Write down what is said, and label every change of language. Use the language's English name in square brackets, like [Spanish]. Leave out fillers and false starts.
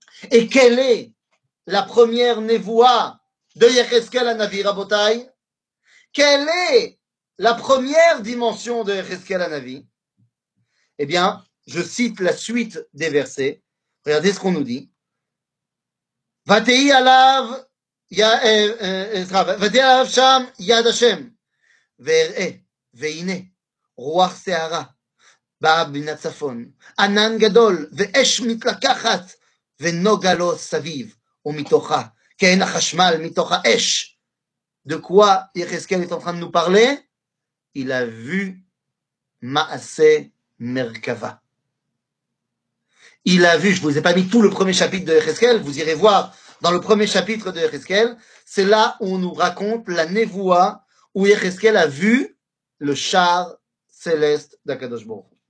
[French] Et quelle est la première névoie de Yecheskel HaNavi, Rabotai? Quelle est la première dimension de Yecheskel HaNavi? Eh bien, je cite la suite des versets. Regardez ce qu'on nous dit. [Hebrew] Vatei alav sham yad Hashem ve'er'e ve'ine ruach se'ara באב מן הצפון, ענן גדול, ואש מתלקחת, ונוגה לו סביב, ומתוכה, כן החשמל מתוך האש. [French] De quoi יחזקאל est en train de nous parler? Il a vu מעשה מרכבה. Il a vu, je ne vous ai pas mis tout le premier chapitre de יחזקאל, vous irez voir dans le premier chapitre de יחזקאל, c'est là où on nous raconte la névoie où יחזקאל a vu le char céleste d'Akadosh Baruch.